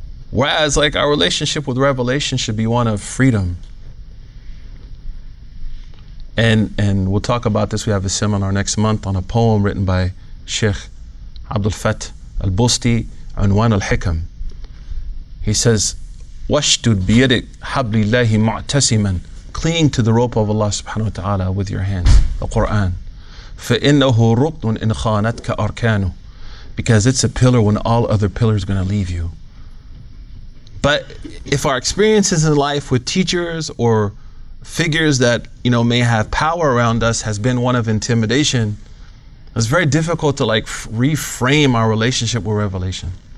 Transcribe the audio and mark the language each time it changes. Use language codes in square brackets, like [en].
[en] Whereas, like, our relationship with revelation should be one of freedom. And we'll talk about this. We have a seminar next month on a poem written by Sheikh Abdul Fat al-Busti, Unwan al-Hikam. He says, [ar] وَشْتُدْ بِيَدِكْ حَبْلِ اللَّهِ مُعْتَسِمًا. [en] Cling to the rope of Allah subhanahu wa ta'ala with your hands, the Qur'an. [ar] فَإِنَّهُ رُقْنٌ إِنْ خَانَتْكَ أَرْكَانُ. [en] Because it's a pillar when all other pillars are going to leave you. But if our experiences in life with teachers or figures that, you know, may have power around us has been one of intimidation, it's very difficult to like reframe our relationship with revelation.